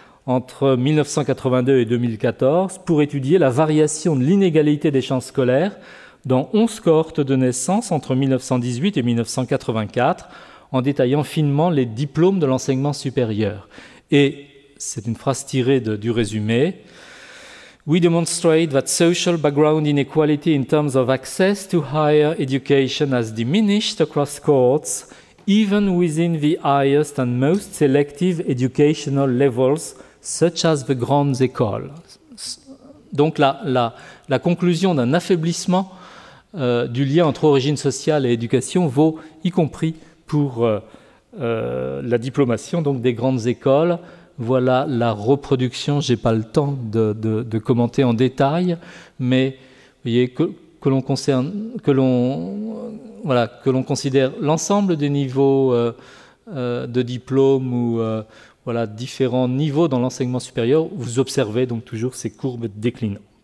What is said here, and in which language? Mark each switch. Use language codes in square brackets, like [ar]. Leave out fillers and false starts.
[fr] entre 1982 et 2014 pour étudier la variation de l'inégalité des chances scolaires dans 11 cohortes de naissance entre 1918 et 1984, en détaillant finement les diplômes de l'enseignement supérieur. Et c'est une phrase tirée du résumé. [en] We demonstrate that social background inequality in terms of access to higher education has diminished across cohorts, even within the highest and most selective educational levels, such as the grandes écoles. [fr] Donc la conclusion d'un affaiblissement du lien entre origine sociale et éducation vaut y compris pour la diplomation donc des grandes écoles. Voilà la reproduction, je n'ai pas le temps de commenter en détail, mais vous voyez que l'on considère l'ensemble des niveaux de diplôme ou différents niveaux dans l'enseignement supérieur, vous observez donc toujours ces courbes déclinantes.